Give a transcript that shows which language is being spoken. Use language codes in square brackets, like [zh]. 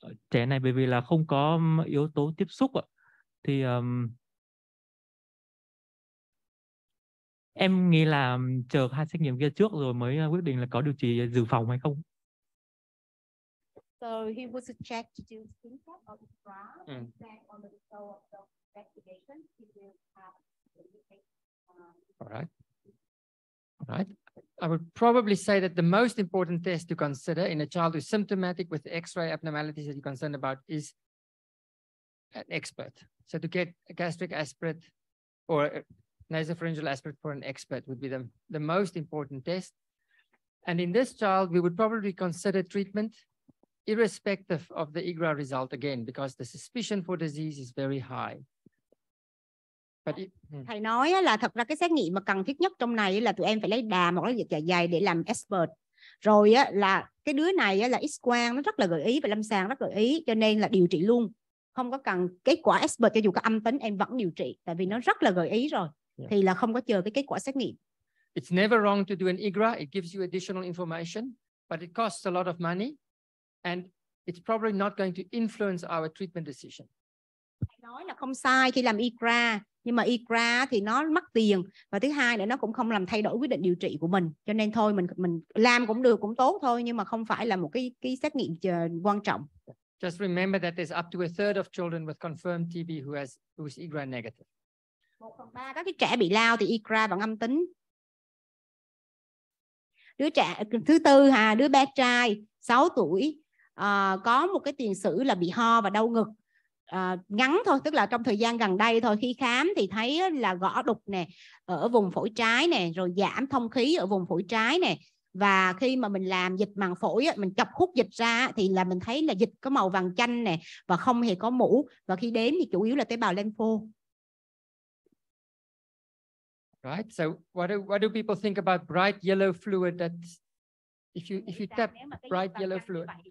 [vi] Trẻ này bởi vì là không có yếu tố tiếp xúc thì em nghĩ là chờ hai xét nghiệm kia trước rồi mới quyết định là có điều trị dự phòng hay không. [en] So he was checked to do skin test or IGRA, and on the result of the investigation, he will have All right. I would probably say that the most important test to consider in a child who's symptomatic with X-ray abnormalities that you're concerned about is an expert. So to get a gastric aspirate or a nasopharyngeal aspirate for an expert would be the most important test. And in this child, we would probably consider treatment irrespective of the IGRA result again, because the suspicion for disease is very high. [vi] Thầy nói là thật ra cái xét nghiệm mà cần thiết nhất trong này là tụi em phải lấy đàm hoặc là dạ dày để làm expert. Rồi là cái đứa này là X-quang nó rất là gợi ý và lâm sàng rất gợi ý, cho nên là điều trị luôn. Không có cần kết quả expert, cho dù có âm tính em vẫn điều trị, tại vì nó rất là gợi ý rồi. Thì là không có chờ cái kết quả xét nghiệm. [en] It's never wrong to do an IGRA. It gives you additional information, but it costs a lot of money and it's probably not going to influence our treatment decision. [vi] Thầy nói là không sai khi làm IGRA, nhưng mà IGRA thì nó mất tiền, và thứ hai nữa nó cũng không làm thay đổi quyết định điều trị của mình, cho nên thôi mình làm cũng được, cũng tốt thôi, nhưng mà không phải là một cái xét nghiệm quan trọng. [en] Just remember that there's up to a third of children with confirmed TB who is IGRA negative. [vi] 1/3 các cái trẻ bị lao thì IGRA vẫn âm tính. đứa trẻ thứ tư ha, đứa bé trai 6 tuổi có một cái tiền sử là bị ho và đau ngực ngắn thôi, tức là trong thời gian gần đây thôi, khi khám thì thấy là gõ đục nè ở vùng phổi trái nè, rồi giảm thông khí ở vùng phổi trái nè, và khi mà mình làm dịch màng phổi mình chọc hút dịch ra thì là mình thấy là dịch có màu vàng chanh nè và không hề có mủ, và khi đếm thì chủ yếu là tế bào lympho. [en] Right, so what do people think about bright yellow fluid that if you tap bright yellow fluid?